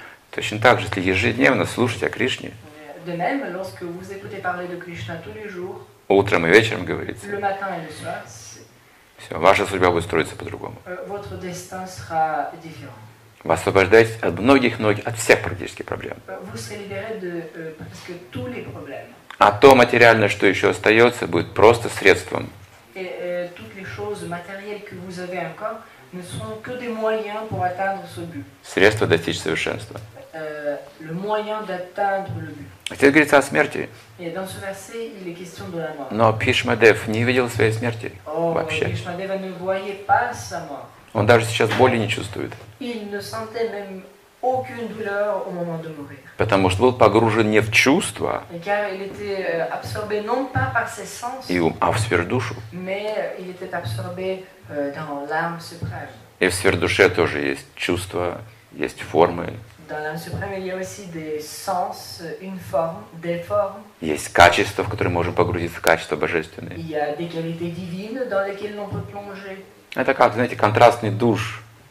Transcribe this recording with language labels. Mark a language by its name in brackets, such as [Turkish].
[Russian] Точно так же, если ежедневно слушать о Кришне. [French] De même, lorsque vous écoutez parler de Krishna tous les jours, [Russian] утром и вечером, говорится. [French] Le matin et le soir, [Russian] все, ваша судьба будет строиться по-другому. [French] Votre destin sera différent. [Russian] Вы освобождаетесь от многих, от всех практически проблем. [French] Vous serez libéré de presque tous les problèmes. [Russian] А то материальное, что еще остается, будет просто средством. [French] Toutes les choses matérielles que vous avez encore ne sont que des moyens pour atteindre ce but. [Russian] Средство достичь совершенства. [French] Le moyen d'atteindre le but. [Russian] Здесь говорится о смерти. [French] Dans ce verset, il est question de la mort. [Russian] Но Бхишмадев не видел своей смерти вообще. [French] Бхишмадев [Russian] не [French] voyait pas sa mort. [Russian] Он даже сейчас боли не чувствует. [French] Il ne sentait même aucune douleur au moment de mourir. [Russian] Потому что был погружен не в чувства, [French] car il était absorbé non pas par ses sens, [Russian] и ум, а в сверхдушу. [French] Mais il était absorbé dans l'âme suprême. [Russian] И в сверхдуше тоже есть чувства, есть формы. [French] Dans l'âme suprême, il y a aussi des sens, une forme, des formes. [Russian] Есть качества, в которые можем погрузиться, качества божественные. [French] Il y a des qualités divines dans lesquelles l'on peut plonger. [Russian] Это как, знаете, контрастный душ.